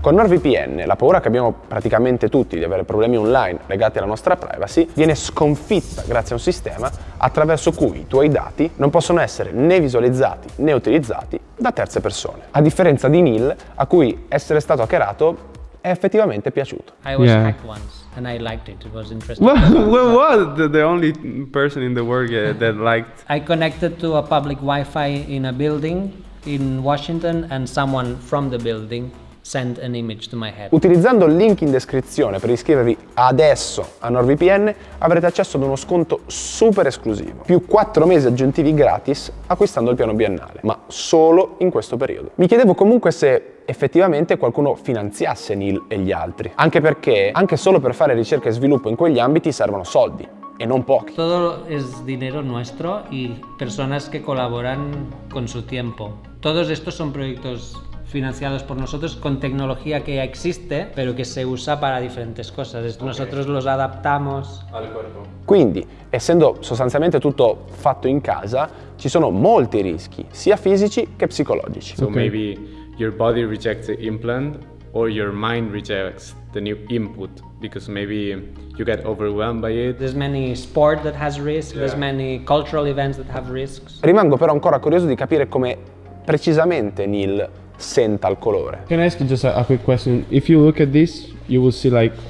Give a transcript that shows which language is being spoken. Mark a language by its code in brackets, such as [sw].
[it] Con NordVPN, la paura che abbiamo praticamente tutti di avere problemi online legati alla nostra privacy viene sconfitta grazie a un sistema attraverso cui i tuoi dati non possono essere né visualizzati né utilizzati da terze persone. A differenza di Neil, a cui essere stato hackerato è effettivamente piaciuto. [en] I was hacked once and I liked it. It was interesting. Well, what? The only person in the world that liked. I connected to a public Wi-Fi in a building in Washington and someone from the building send an image to my head. [it] Utilizzando il link in descrizione per iscrivervi adesso a NordVPN avrete accesso ad uno sconto super esclusivo, più 4 mesi aggiuntivi gratis acquistando il piano biennale, ma solo in questo periodo. Mi chiedevo comunque se effettivamente qualcuno finanziasse Neil e gli altri, anche perché anche solo per fare ricerca e sviluppo in quegli ambiti servono soldi. E non pochi. [es] Todo es dinero nuestro y personas que colaboran con su tiempo. Todos estos son proyectos financiados por nosotros con tecnología que ya existe, pero que se usa para diferentes cosas. Okay. Nosotros los adaptamos al cuerpo. [it] Quindi, essendo sostanzialmente tutto fatto in casa, ci sono molti rischi, sia fisici che psicologici. [en] So maybe your body rejects the implant or your mind rejects the new input. Because maybe you get overwhelmed by it. There's many sport that has risks, yeah. There's many cultural events that have risks. [it] Rimango però ancora curioso di capire come precisamente Neil senta il colore. [en] Can I ask you just a quick question? If you look at this, you will see like...